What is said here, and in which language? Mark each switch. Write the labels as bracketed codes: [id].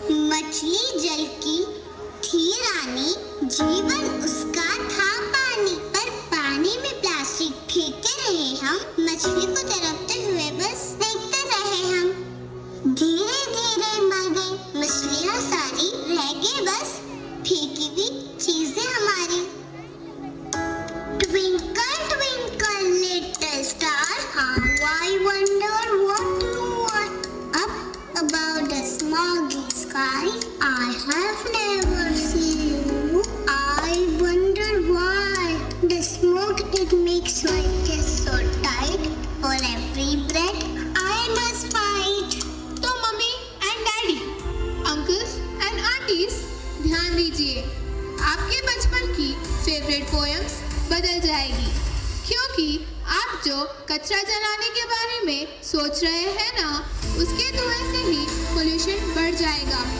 [hi] मछली जल की थी रानी, जीवन उसका था पानी, पर पानी में प्लास्टिक फेंकते रहे हम, मछली को तड़पते हुए बस देखते रहे हम। धीरे धीरे मर गए मछलियां सारी, रह गए बस फेंकी हुई चीजें हमारी। [en] Twinkle twinkle little star, how I wonder what you are. Up about the smoggy sky I have never seen you. I wonder why the smoke it makes my chest so tight. For every breath I must fight. So mummy and daddy, uncles and aunties, [hi] ध्यान दीजिए, आपके बचपन की favorite poems बदल जाएगी, क्योंकि आप जो कचरा जलाने के बारे में सोच रहे हैं ना, उसके धुएं से ही pollution बढ़ जाएगा।